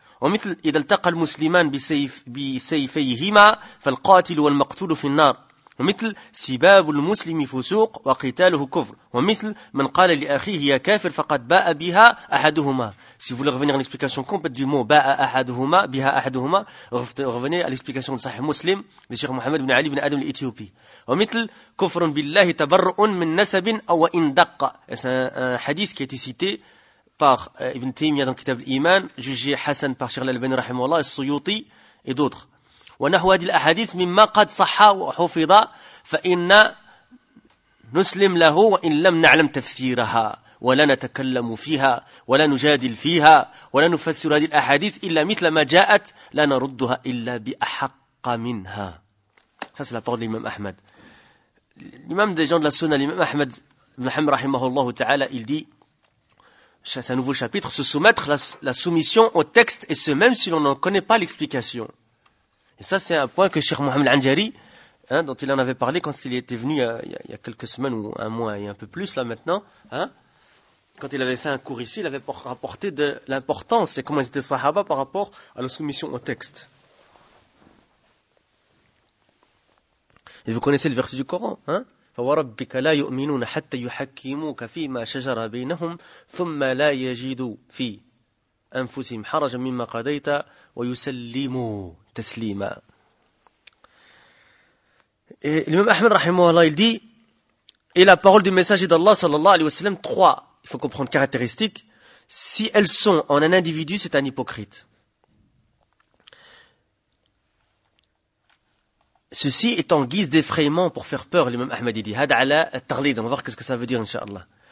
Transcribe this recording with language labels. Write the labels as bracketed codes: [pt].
[ar] ومثل إذا التقى المسلمان بسيفيهما فالقاتل والمقتول في النار ومثل سباب المسلم فسوق وقتاله كفر ومثل من قال لأخيه يا كافر فقد باء بها أحدهما. [fr] Si vous voulez revenir à l'explication complète du mot [ar] باء أحدهما بها أحدهما, [fr] revenez à l'explication de صحيح مسلم de Cheikh Mohammed bin Ali bin Adam al-Ethiopi. [ar] ومثل كفر بالله تبرؤ من نسب أو إن دق. [fr] C'est un hadith qui a été cité par Ibn Taymiyyah dans le Kitab al-Iman, jugé Hassan par Cheikh al-Albani rahimahullah, al-Suyuti et d'autres. [ar] وَنَحْوَ هَذِي الْأَحَادِيثِ مِمَّا قَدْ صَحَّى وَحُفِظَ فَإِنَّ نُسْلِمْ لَهُ وَإِنْ لَمْ نَعْلَمْ تَفْسِيرَهَا وَلَا نَتَكَلَّمُ فِيهَا وَلَا نُجَادِلْ فِيهَا وَلَا نُفَسِّرُ هَذِي الْأَحَادِيثِ إِلَّا مِثْلَ مَا جَاءَتْ لَا نَرُدُّهَا إِلَّا بِأَحَقَّ مِنْهَا. [fr] Ça c'est la parole de l'imam Ahmed. L'imam des gens de la Sunna, l'imam Ahmed ibn Hanbal rahimahullah ta'ala, il dit, c'est un nouveau chapitre, se soumettre, la soumission au texte, et ce même si l'on n'en connaît pas l'explication. Et ça, c'est un point que Cheikh Mohammed Anjari, hein, dont il en avait parlé quand il était venu il y a quelques semaines ou un mois et un peu plus là maintenant, hein, quand il avait fait un cours ici, il avait rapporté de l'importance et comment ils étaient sahaba par rapport à la soumission au texte. Et vous connaissez le verset du Coran, hein? [ar] فوربك لا يؤمنون حتى يحكموك فيما شجر بينهم ثم لا يجدوا في أنفسهم حرجا مما قضيت ويسلموا تسليما. الإمام أحمد رحمه الله [fr] il dit, et la parole du messager d'Allah sallallahu alayhi wa sallam, trois, il faut comprendre caractéristiques, si elles sont en un individu, c'est un hypocrite. Ceci est en guise d'effrayement pour faire peur, l'imam Ahmad dit. [ar] Had ala at-taghlid. [fr] On va voir ce que ça veut dire, inshallah.